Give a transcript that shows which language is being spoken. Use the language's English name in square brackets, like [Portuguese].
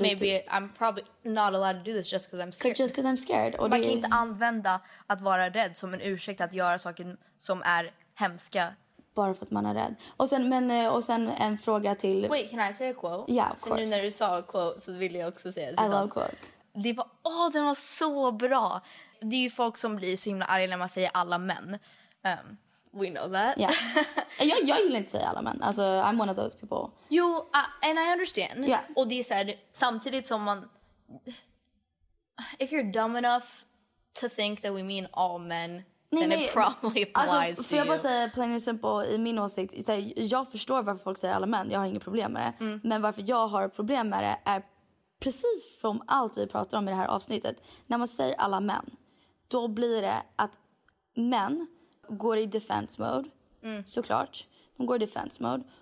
[English] maybe I'm probably not allowed to do this just because I'm scared. Just because I'm scared. [Swedish] Och man kan inte använda att vara rädd som en ursäkt att göra saker som är hemska. Bara för att man är rädd. Och sen en fråga till... [English] Wait, can I say a quote? Ja, yeah, of course. [Swedish] För nu när du sa a quote så vill jag också säga [English] det. I love quotes. [Swedish] Det var, åh, den var så bra. Det är ju folk som blir så himla arga när man säger alla män. [English] We know that. Yeah. [Swedish] Jag gillar inte säga alla män. [English] Alltså, I'm one of those people. Jo, and I understand. Yeah. [Swedish] Och det är såhär, samtidigt som man... [English] If you're dumb enough to think that we mean all men... [Swedish] Nej, men, alltså, för jag bara säga plain and simple, i min åsikt, så här, jag förstår varför folk säger alla män, jag har inga problem med det. Mm. Men varför jag har problem med det är precis från allt vi pratar om i det här avsnittet. När man säger alla män, då blir det att män går i defense mode, såklart. De går i defense mode.